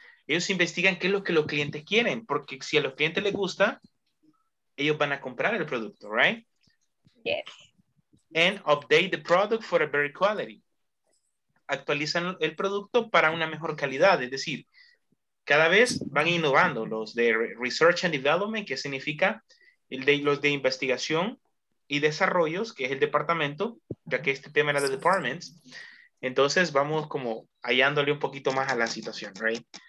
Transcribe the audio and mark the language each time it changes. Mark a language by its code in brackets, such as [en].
[es] Ellos investigan qué es lo que los clientes quieren, porque si a los clientes les gusta, ellos van a comprar el producto, right? [en] Yes. And update the product for a better quality. [es] Actualizan el producto para una mejor calidad, es decir, cada vez van innovando los de research and development, que significa el de, los de investigación y desarrollos, que es el departamento, ya que este tema era de departments. Entonces, vamos como hallándole un poquito más a la situación, right?